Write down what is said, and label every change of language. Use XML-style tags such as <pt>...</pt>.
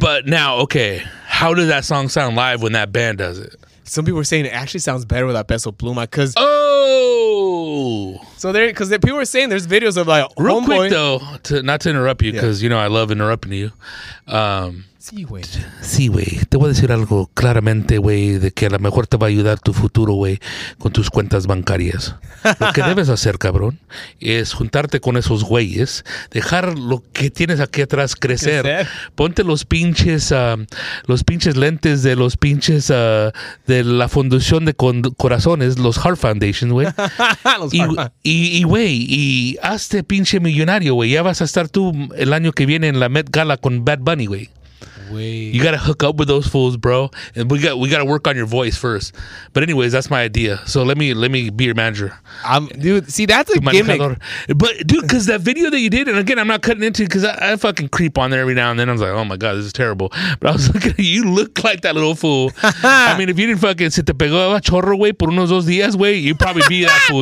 <en>But now, okay, how does that song sound live when that band does it? Some people were saying it actually sounds better without Peso Pluma, because people were saying there's videos of like real homeboy. Quick though, to not to interrupt you, because you know I love interrupting you.</en> <es>Sí, güey. Te voy a decir algo claramente, güey, de que a lo mejor te va a ayudar tu futuro, güey, con tus cuentas bancarias. Lo que debes hacer, cabrón, es juntarte con esos güeyes, dejar lo que tienes aquí atrás crecer. Ponte los pinches lentes de los pinches de la fundación de corazones, los Heart Foundation, güey. Y hazte pinche millonario, güey. Ya vas a estar tú el año que viene en la Met Gala con Bad Bunny, güey.</es> <en>Wait. You gotta hook up with those fools, bro. And we gotta work on your voice first. But anyways, that's my idea. So let me be your manager. That's a gimmick. But dude, because that video that you did, and again, I'm not cutting into it because I fucking creep on there every now and then. I was like, oh my god, this is terrible. But I was looking at you, look like that little fool. I mean, if you didn't fucking sit the pegó a chorro way</en> <es>por unos dos días</es> <en>way, you'd probably be that fool.</en>